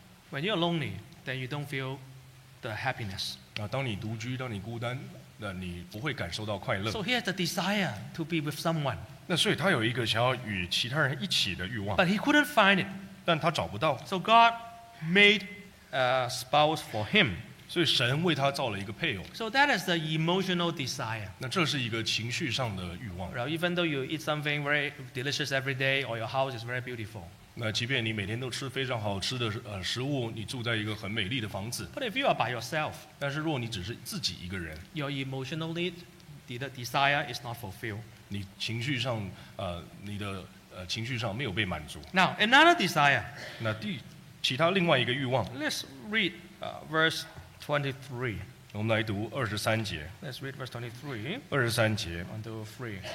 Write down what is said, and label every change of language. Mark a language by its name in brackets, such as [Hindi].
[English] When you're lonely, then you don't feel the happiness. [Chinese] 当你独居, 当你孤单, 那你不会感受到快乐. [English] So he has the desire to be with someone. [Chinese] 那所以他有一个想要与其他人一起的欲望. [English] But he couldn't find it. [Chinese] 但他找不到. [English] So God made a spouse for him. [Chinese] 所以神为他造了一个配偶. [English] So that is the emotional desire. [Chinese] 那这是一个情绪上的欲望. [English] Now, even though you eat something very delicious every day, or your house is very beautiful. [Chinese] 那即便你每天都吃非常好吃的食物, 你住在一个很美丽的房子. [English] But if you are by yourself, [Chinese] 但是若你只是自己一个人, [English] your emotional need, the desire is not fulfilled. [Chinese] 你情绪上, 你的, 情绪上没有被满足. [English] Now, another desire. [Chinese] 那其他另外一个欲望. [English] Let's read verse 23. [Chinese] 我们来读23节. [English] Let's read verse 23. [Chinese] 23节. [English] 1-3.